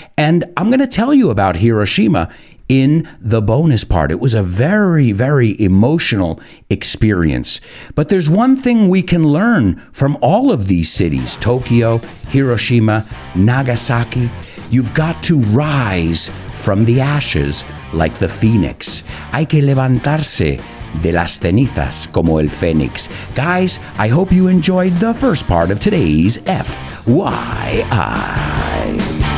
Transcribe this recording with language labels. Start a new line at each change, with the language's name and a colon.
English: And I'm going to tell you about Hiroshima in the bonus part. It was a very, very emotional experience. But there's one thing we can learn from all of these cities, Tokyo, Hiroshima, Nagasaki. You've got to rise from the ashes like the phoenix.
Spanish: Hay que levantarse de las cenizas como el fénix.
English: Guys, I hope you enjoyed the first part of today's FYI.